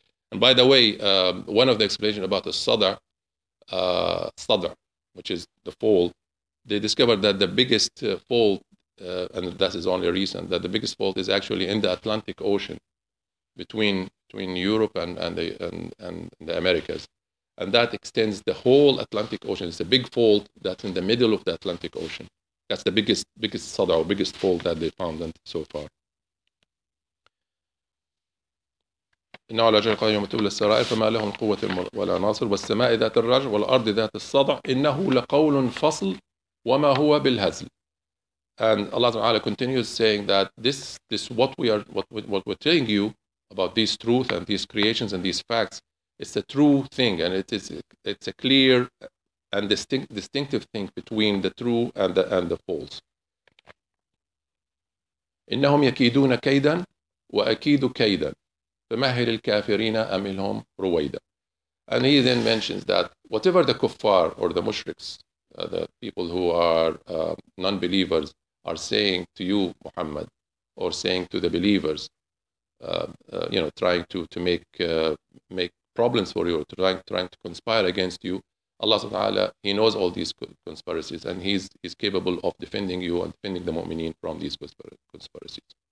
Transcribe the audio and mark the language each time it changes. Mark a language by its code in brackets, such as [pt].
[en] And by the way, one of the explanations about the sadr, which is the fault, they discovered that the biggest fault, and that is only recent, that the biggest fault is actually in the Atlantic Ocean between Europe and the Americas. And that extends the whole Atlantic Ocean. It's a big fault that's in the middle of the Atlantic Ocean. That's the biggest sadr or biggest fault that they found so far. [ar] إنه على جهة قائمة تولى السرائر فما لهم قوة ولا ناصر والسماء ذات الرجع والأرض ذات الصدع إنه لقول فصل وما هو بالهزل. [en] And Allah Ta'ala continues saying that this what we are what we're telling you about these truth and these creations and these facts, it's a true thing and it's a clear and distinctive thing between the true and the false. [ar] إنهم يكيدون كيدا وأكيد كيدا فَمَهِلِ الْكَافِرِينَ أَمِلْهُمْ رُوَيْدًا. [en] And he then mentions that whatever the kuffar or the mushriks, the people who are non-believers, are saying to you, Muhammad, or saying to the believers, you know, trying to make problems for you, or trying to conspire against you, Allah subhanahu wa ta'ala, he knows all these conspiracies, and he's capable of defending you and defending the mu'mineen from these conspiracies.